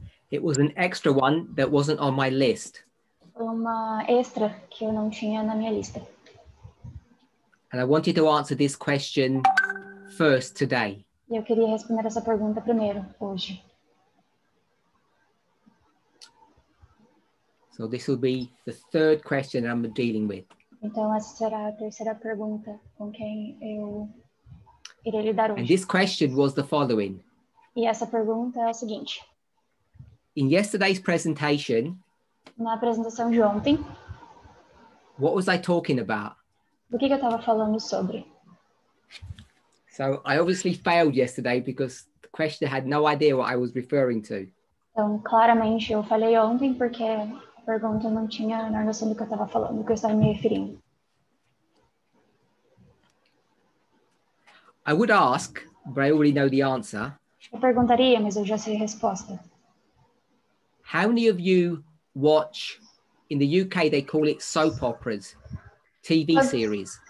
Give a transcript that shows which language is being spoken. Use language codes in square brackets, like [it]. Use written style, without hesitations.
[en] It was an extra one that wasn't on my list. [pt] Uma extra que eu não tinha na minha lista. [en] And I wanted to answer this question first today. [pt] Eu queria responder essa pergunta primeiro hoje. [en] So this will be the third question I'm dealing with. [pt] Então essa será a terceira pergunta com quem eu irei lidar hoje. [en] And this question was the following. [pt] E essa pergunta é a seguinte. [en] In yesterday's presentation, [pt] na apresentação de ontem, [en] what was I talking about? [pt] Do que eu tava falando sobre? [en] So I obviously failed yesterday because the questioner had no idea what I was referring to. [pt] Então, claramente, eu falei ontem porque a pergunta não tinha a noção do que eu tava falando, do que eu estava me referindo. [en] I would ask, but I already know the answer. [pt] Eu perguntaria, mas eu já sei a resposta. [en] How many of you watch, in the UK they call it soap operas, TV series?